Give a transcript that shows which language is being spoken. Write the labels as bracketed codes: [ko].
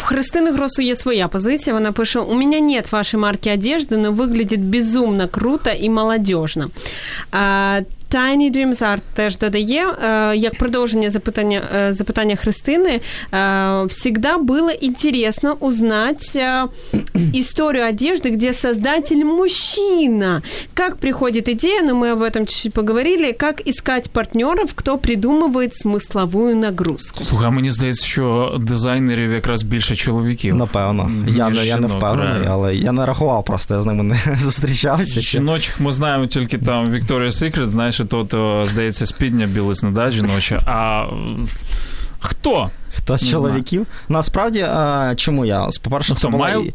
[uk] У Христини Гросу є своя позиція, вона пише: «У мене нет вашої марки одежди, [ru] но выглядит безумно круто и молодежно». [uk] Tiny Dreams Art теж додає, як продовження запитання Христини, [ru] всегда было интересно узнать историю одежды, где создатель мужчина. Как приходит идея, но мы об этом чуть-чуть поговорили, как искать партнеров, кто придумывает смысловую нагрузку. Слухай, мне кажется, что дизайнеров как раз больше чоловіків. [uk] Напевно. Я не впевнений, але я не рахував просто, я з ними не зустрічався. Жіночих ми знаємо тільки там Victoria's Secret, знаєш, то, здається, спідня білизна, да, жіноча. А хто? Хто з чоловіків? Знаю. Насправді, чому я? По-перше, це була...